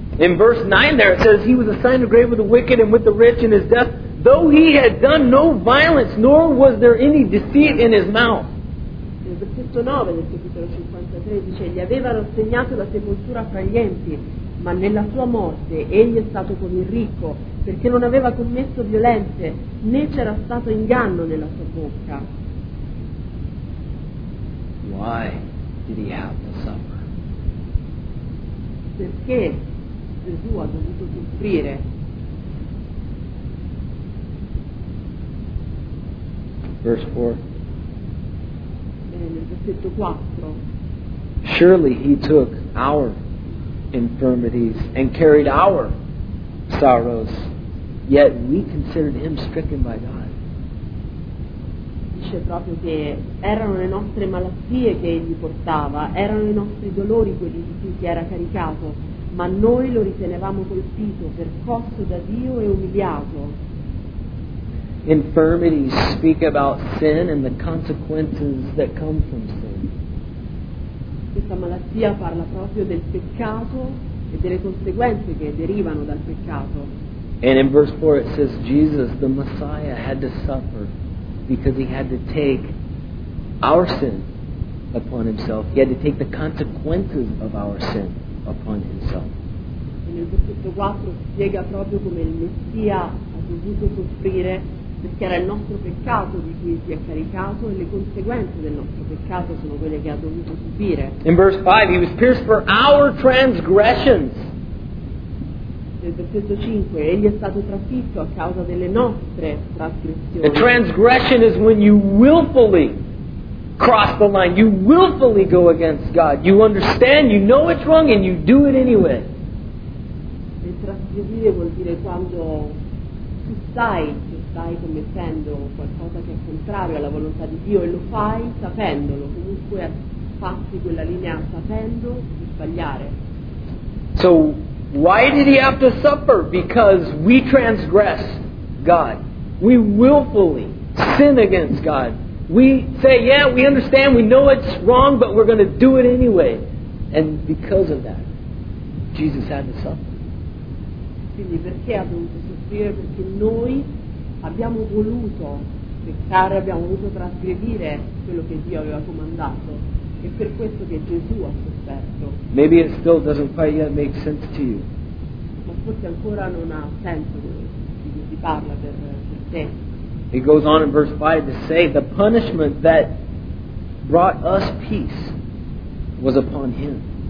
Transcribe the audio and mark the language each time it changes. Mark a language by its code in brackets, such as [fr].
[en] In verse 9 there it says he was assigned to grave with the wicked and with the rich in his death. Though he had done no violence, nor was there any deceit in his mouth. [it] Nel versetto 9 del capitolo 53 dice gli avevano assegnato la sepoltura fra gli empi, ma nella sua morte egli è stato con il ricco, perché non aveva commesso violenze, né c'era stato inganno nella sua bocca. [en] Why did he have to suffer? [it] Perché Gesù ha dovuto soffrire? [en] Verse 4. [it] Nel versetto 4. [en] Surely he took our infirmities and carried our sorrows, yet we considered him stricken by God. [it] Dice proprio che erano le nostre malattie che egli portava, erano i nostri dolori quelli di cui si era caricato, ma noi lo ritenevamo colpito, percosso da Dio e umiliato. [en] Infirmities speak about sin and the consequences that come from sin. [it] Questa malattia parla proprio del peccato e delle conseguenze che derivano dal peccato. [en] And in verse 4 it says Jesus, the Messiah, had to suffer because he had to take our sin upon himself. He had to take the consequences of our sin upon himself. [it] E nel versetto 4 spiega proprio come il Messia ha dovuto soffrire perché era il nostro peccato di cui si è caricato e le conseguenze del nostro peccato sono quelle che ha dovuto subire. [en] In verse 5 he was pierced for our transgressions. [it] Nel versetto 5 egli è stato trafitto a causa delle nostre trasgressioni. [en] A transgression is when you willfully cross the line, you willfully go against God, you understand, you know it's wrong and you do it anyway. [it] E trasgredire vuol dire quando tu sai che stai commettendo qualcosa che è contrario alla volontà di Dio e lo fai sapendolo, comunque passi quella linea sapendo di sbagliare. [en] So why did he have to suffer? Because we transgress God, we willfully sin against God. We say, yeah, we understand, we know it's wrong, but we're going to do it anyway. And because of that, Jesus had to suffer. [it] Quindi perché ha dovuto soffrire? Perché noi abbiamo voluto peccare, abbiamo voluto trasgredire quello che Dio aveva comandato. E per questo che Gesù ha sofferto. [en] Maybe it still doesn't quite yet make sense to you. [it] Ma forse ancora non ha senso di cui si parla per te. [en] It goes on in verse 5 to say the punishment that brought us peace was upon him.